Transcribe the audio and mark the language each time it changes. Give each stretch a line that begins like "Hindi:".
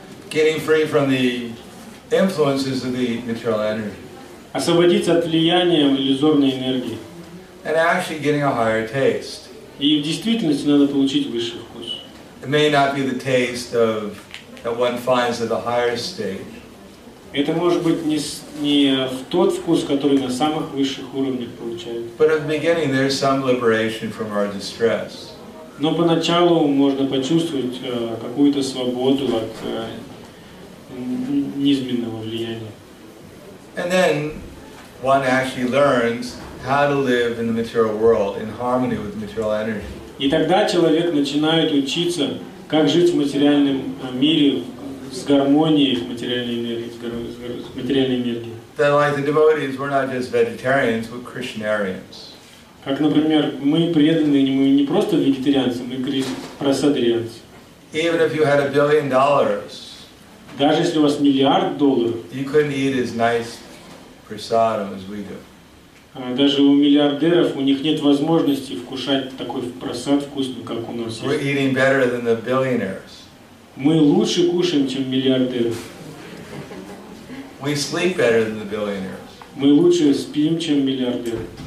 English: Getting free from the influences of the material energy.
Russian: Освободиться от влияния иллюзорной энергии.
English: And actually getting a higher taste.
Russian: И в действительности надо получить высший вкус.
English: It may not be the taste of that one finds at the higher stage.
Russian: Это может быть не тот вкус, который на самых высших уровнях получают.
English: But at the beginning there's some liberation from our distress.
Russian: Но поначалу можно почувствовать какую-то свободу от низменного влияния.
English: And then one actually learns how to live in the material world in harmony with material energy.
Russian: И тогда человек начинает учиться, как жить в материальном мире с гармонией с материальной энергией, с материальной энергией.
English: That like the devotees, we're not just vegetarians, but Krishnarians.
Russian: Как, например, мы преданные, мы не просто вегетарианцы, мы просадрианцы.
English: Even if you had $1 billion.
Russian: Даже если у вас миллиард долларов,
English: you couldn't eat as nice prasadam as we do.
Russian: Даже у миллиардеров у них нет возможности вкушать такой просад вкусный, как у нас есть.
English: We're eating better than the billionaires.
Russian: Мы лучше кушаем, чем миллиардеры.
English: We sleep better than the billionaires.
Russian: Мы лучше спим, чем миллиардеры.